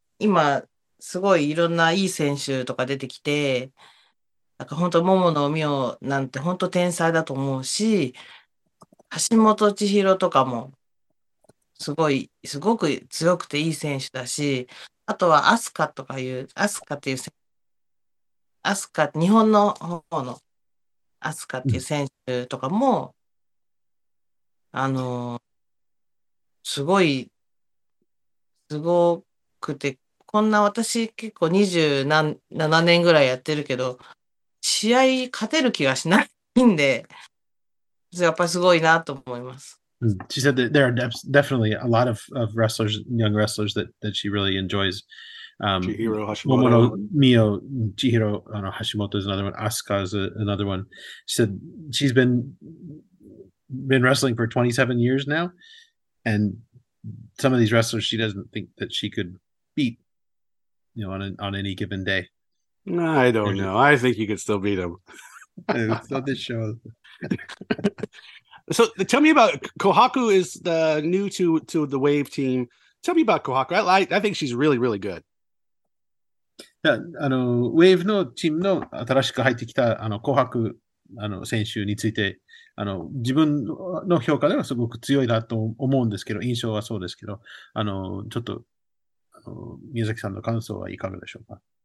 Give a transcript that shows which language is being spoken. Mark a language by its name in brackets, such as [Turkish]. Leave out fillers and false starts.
[Japanese] 今すごいいろんないい選手とか出てきて、なんか本当桃野美桜なんて本当天才だと思うし、橋本千尋とかもすごく強くていい選手だし、あとはアスカ日本の方のアスカっていう選手とかも、うん、すごくて、こんな私結構27年ぐらいやってるけど、試合勝てる気がしないんで、やっぱりすごいなと思います。 [English] She said that there are definitely a lot of wrestlers, young wrestlers that she really enjoys. Chihiro, Hashimoto. Momono, Mio, Chihiro, Hashimoto is another one. Asuka is another one. She said she's been wrestling for 27 years now, and some of these wrestlers she doesn't think that she could beat, on any given day. I don't know. I think you could still beat them. It's not this show. So tell me about Kohaku, is the new to the Wave team. Tell me about Kohaku. I think she's really, really good. [Japanese] Wave のチームの新しく入ってきた Kohaku 選手について自分の評価ではすごく強いなと思うんですけど、印象はそうですけど、ちょっと宮崎さんの感想はいかがでしょうか。